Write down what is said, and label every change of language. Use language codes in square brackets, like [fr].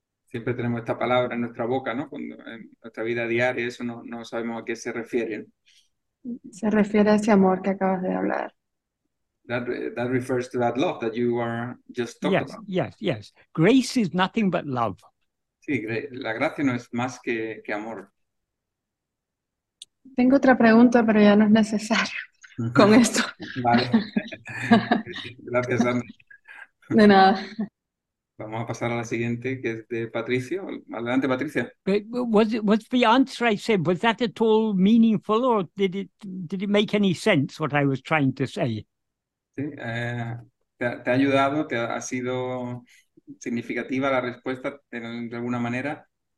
[es] Siempre tenemos esta palabra en nuestra boca, ¿no? Cuando, en nuestra vida diaria, eso no sabemos a qué se refiere. Se refiere a ese amor que acabas de hablar. [en] That refers to that love that you were just talking yes, about. Yes. Grace is nothing but love. [es] Sí, la gracia no es más que amor. Tengo otra pregunta, pero ya no es necesario con esto. Vale. Gracias, Ana. De nada. Vamos a pasar a la siguiente, que es de Patricio. Adelante, Patricia. [en] Was the answer I said, was that at all meaningful or did it make any sense what I was trying to say? [es] Sí, te ha ayudado, ha sido significativa la respuesta de alguna manera.